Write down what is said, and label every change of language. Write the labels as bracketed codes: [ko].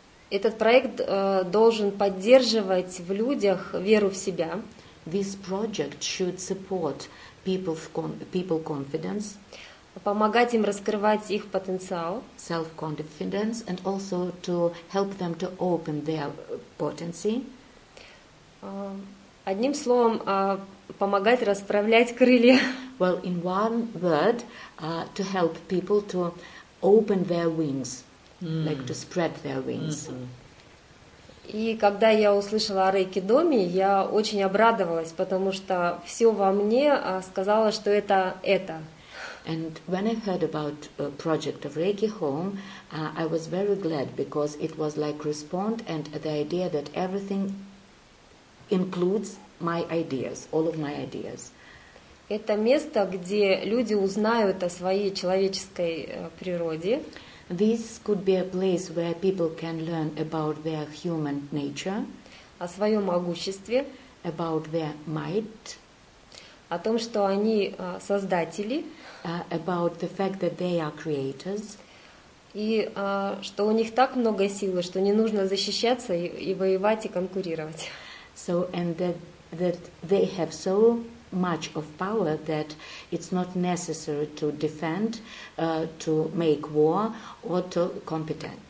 [ru] Этот проект должен поддерживать в людях веру в себя. [en] This project should support people's confidence. [ru] Помогать им раскрывать их потенциал. [en] Self-confidence and also to help them to open their potency. [ru] Одним словом, помогать расправлять крылья. [en] Well, in one word, to help people to open their wings, like to spread their wings. [ru] И когда я услышала о рейкидоме, я очень обрадовалась, потому что все во мне сказало, что это. [en] And when I heard about a project of Reiki Home, I was very glad because it was like respond and the idea that everything includes my ideas, all of my ideas. [ru] Это место, где люди узнают о своей человеческой природе. [en] This could be a place where people can learn about their human nature, [ru] о своем могуществе, [en] about their might, [ru] о том, что они создатели, [en] about the fact that they are creators, [ru] и что у них так много силы, что не нужно защищаться и воевать и конкурировать. [en] So and that they have so much of power that it's not necessary to defend, to make war or to compete.